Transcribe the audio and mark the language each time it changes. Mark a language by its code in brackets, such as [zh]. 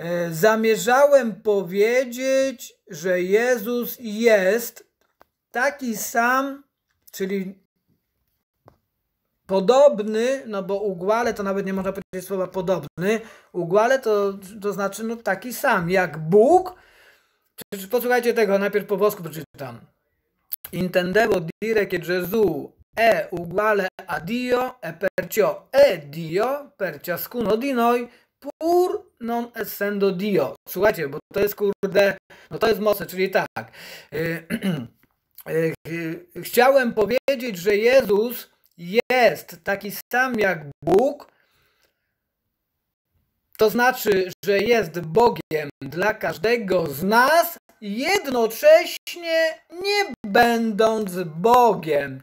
[pl] Zamierzałem powiedzieć, że Jezus jest taki sam, czyli podobny, no bo uguale to nawet nie można powiedzieć słowa podobny, uguale to znaczy no taki sam, jak Bóg. Posłuchajcie tego, najpierw po włosku przeczytam. [it] Intendevo dire che Gesù è uguale a Dio e perciò è Dio per ciascuno di noi pur non essendo Dio. [pl] Słuchajcie, bo to jest kurde, no to jest mocne, czyli tak. Chciałem powiedzieć, że Jezus jest taki sam jak Bóg, to znaczy, że jest Bogiem dla każdego z nas, jednocześnie nie będąc Bogiem.